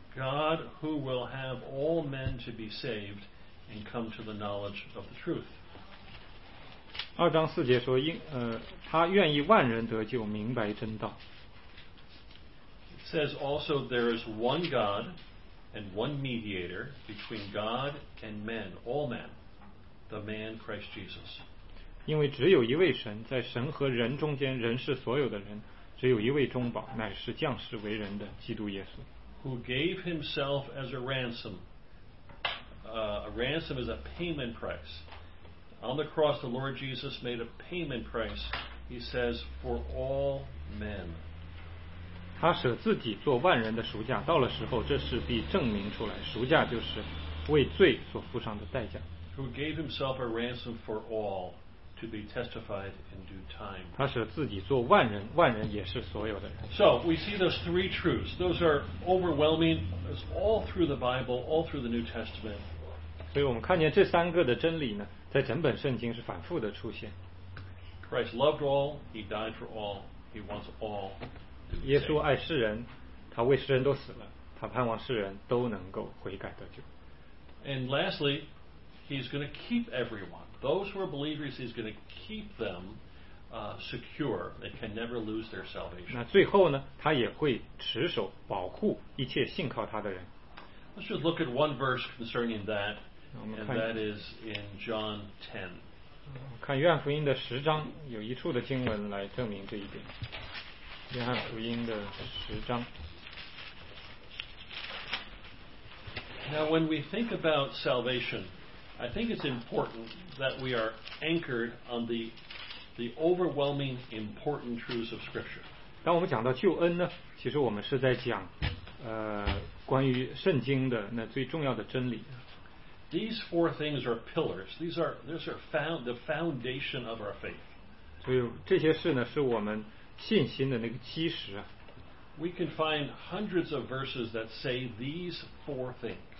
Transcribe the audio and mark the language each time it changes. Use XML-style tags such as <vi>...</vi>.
<en>God who will have all men to be saved and come to the knowledge of the truth.</en> <zh>二章四节说，他愿意万人得救，明白真道。</zh> <en>It says also there is one God and one mediator between God and men, all men, the man Christ Jesus.</en> <zh>因为只有一位神，在神和人中间，人是所有的人，只有一位中保，乃是降世为人的基督耶稣。</zh> <en>Who gave himself as a ransom. A ransom is a payment price. On the cross, the Lord Jesus made a payment price, he says, for all men.</en> <zh>他舍自己做万人的赎价，到了时候，这事必证明出来。赎价就是为罪所付上的代价。</zh> <en>Who gave himself a ransom for all to be testified in due time.</en> <zh>他舍自己做万人，万人也是所有的人。</zh> <en>So we see those three truths. Those are overwhelming. It's all through the Bible, all through the New Testament.</en> <zh>所以我们看见这三个的真理呢，在整本圣经是反复的出现。</zh> <en>Christ loved all. He died for all. He wants all.</en> <zh>耶稣爱世人，他为世人都死了。他盼望世人都能够悔改得救。</zh> <en>And lastly, he's going to keep everyone. Those who are believers, he's going to keep them secure. They can never lose their salvation.</en> <zh>那最后呢，他也会持守保护一切信靠他的人。</zh> <en>Let's just look at one verse concerning that, and that is in John 10.</en> <zh>看约翰福音的十章，有一处的经文来证明这一点。约翰福音的十章。</zh> <en>Now, when we think about salvation, I think it's important that we are anchored on the overwhelming important truths of Scripture.</en> <zh>当我们讲到救恩呢，其实我们是在讲，关于圣经的那最重要的真理。</zh> <en>These four things are pillars. These are found the foundation of our faith.</en> <zh>所以这些事呢，是我们信心的那个基石啊。</zh> <en>We can find hundreds of verses that say these four things.</en>